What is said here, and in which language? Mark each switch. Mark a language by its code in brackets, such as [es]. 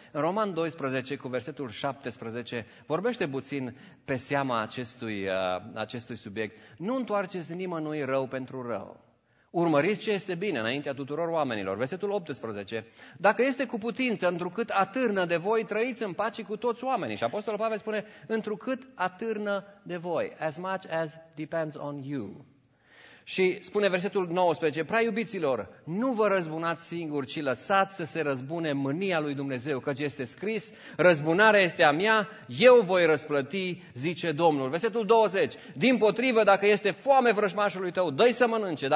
[ro] În Roman 12, cu versetul 17, vorbește puțin pe seama acestui subiect. Nu întoarceți nimănui rău pentru rău. Urmăriți ce este bine înaintea tuturor oamenilor. Versetul 18. Dacă este cu putință, întrucât atârnă de voi, trăiți în pace cu toți oamenii. Și Apostolul Pavel spune, întrucât atârnă de voi. [en] As much as depends on you. [ro] Și spune versetul 19. Prea iubiților, nu vă răzbunați singuri, ci lăsați să se răzbune mânia lui Dumnezeu. Căci este scris, răzbunarea este a mea, eu voi răsplăti, zice Domnul. Versetul 20. Dimpotrivă, dacă este foame vrăjmașului tău, dă-i să mănânce.